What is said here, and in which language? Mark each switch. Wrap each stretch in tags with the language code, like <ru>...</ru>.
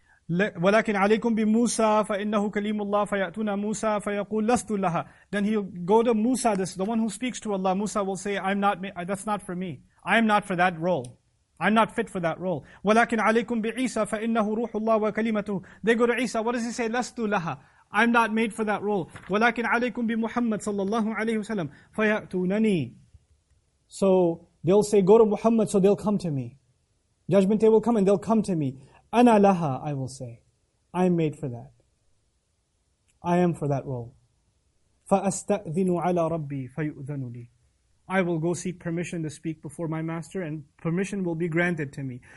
<ar>ولكن عليكم بموسى فإنه كليم الله فيأتون موسى فيقول لست لها.</ar> <en>Then he'll go to Musa, this the one who speaks to Allah. Musa will say, that's not for me. I am not for that role. I'm not fit for that role.</en> <ar>ولكن عليكم بعيسى فإنه روح الله وكلمته.</ar> <en>They go to Isa. What does he say?</en> <ar>لست لها.</ar> <en>I'm not made for that role.</en> <ar>ولكن عليكم بمحمد صلى الله عليه وسلم فيأتونني.</ar> <en>So they'll say, go to Muhammad. So they'll come to me. Judgment day will come and they'll come to me.</en> <ar>أَنَا لَهَا.</ar> <en>I will say, I am made for that. I am for that role.</en> <ar>فَأَسْتَأْذِنُ عَلَىٰ رَبِّي فَيُؤْذَنُ لِي.</ar> <en>I will go seek permission to speak before my master and permission will be granted to me.</en>